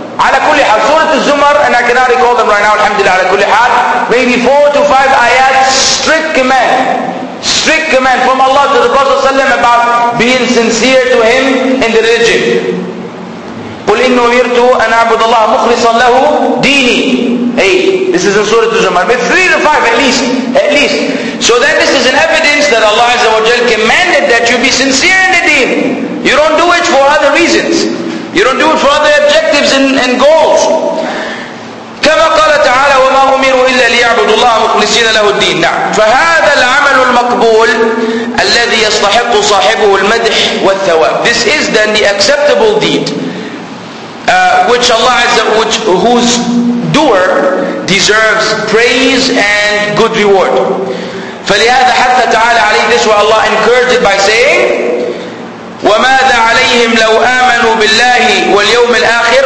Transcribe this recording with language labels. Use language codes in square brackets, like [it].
[ar] على كل حال سورة الزمر, [en] and I cannot recall them right now, [ar] الحمد لله. على كل حال, [en] maybe 4 to 5 آيات, strict command. Strict command from Allah to the Prophet صلى الله عليه وسلم about being sincere to him in the religion. [ar] قل إن أمرت أن أعبد الله مخلصا له ديني. [en] Hey, this is in Surah Az-Zumar. But 3 to 5 at least. So then this is an evidence that Allah Azza wa Jal commanded that you be sincere in the deen. You don't do it for other reasons. You don't do it for other objectives and goals. [ar] كما قال تعالى وما أمروا إلا ليعبدوا الله مخلصين له الدين. نعم. فهذا العمل المقبول الذي يستحق صاحبه المدح والثواب. [en] This is then the acceptable deed. Which Allah Azza, which whose doer deserves praise and good reward. [ar] فَلِهَذَا حَثَّ تَعَالَى عَلَيْهِ. [en] This where Allah encouraged it by saying, [ar] وَمَاذَا عَلَيْهِمْ لَوْ آمَنُوا بِاللَّهِ وَالْيَوْمِ الْآخِرِ.